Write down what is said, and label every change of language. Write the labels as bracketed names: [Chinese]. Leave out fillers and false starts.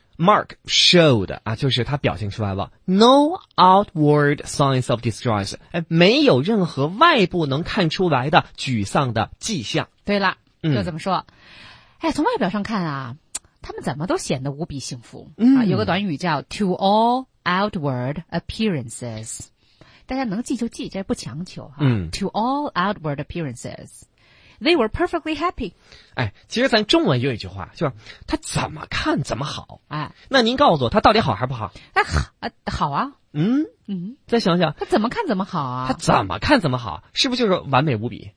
[English] Mark showed [Chinese] 啊，就是他表现出来了 ， [English] no outward signs of distress， [Chinese] 哎，没有任何外部能看出来的沮丧的迹象。对了，就这么说，哎，从外表上看啊，他们怎么都显得无比幸福啊。有个短语叫 [English] to all outward appearances。 [Chinese] 大家能记就记，这不强求哈。 [English] To all outward appearances, they were perfectly happy. [Chinese] 哎，其实咱中文有一句话，就是他怎么看怎么好。哎，那您告诉我，他到底好还不好？哎，好啊。再想想，他怎么看怎么好啊？他怎么看怎么好，是不是就是完美无比